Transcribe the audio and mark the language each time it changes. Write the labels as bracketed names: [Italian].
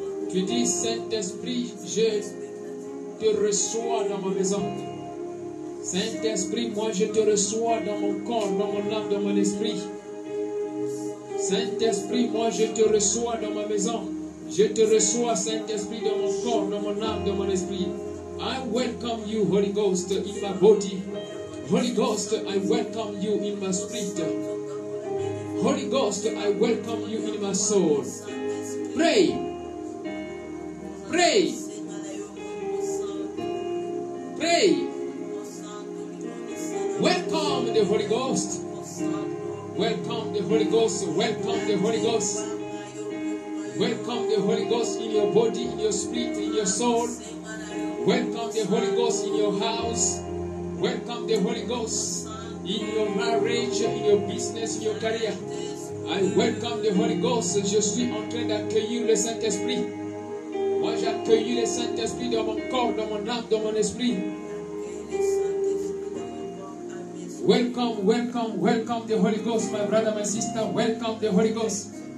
[French] Tu dis, Saint-Esprit, je te reçois dans ma maison. Saint-Esprit, moi, je te reçois dans mon corps, dans mon âme, dans mon esprit. Saint-Esprit, moi, je te reçois dans ma maison. Je te reçois, Saint-Esprit, dans mon corps, dans mon âme, dans mon esprit. [English] I welcome you, Holy Ghost, in my body. Holy Ghost, I welcome you in my spirit. Holy Ghost, I welcome you in my soul. Pray. Pray. Pray. Welcome the Holy Ghost. Welcome the Holy Ghost. Welcome the Holy Ghost. Welcome the Holy Ghost in your body, in your spirit, in your soul. Welcome the Holy Ghost in your house. Welcome the Holy Ghost in your marriage, in your business, in your career. I welcome the Holy Ghost. [French] Je suis en train d'accueillir le Saint-Esprit. Moi, j'accueille le Saint-Esprit dans mon corps, dans mon âme, dans mon esprit. [English] Welcome, welcome, welcome the Holy Ghost, my brother, my sister. Welcome the Holy Ghost.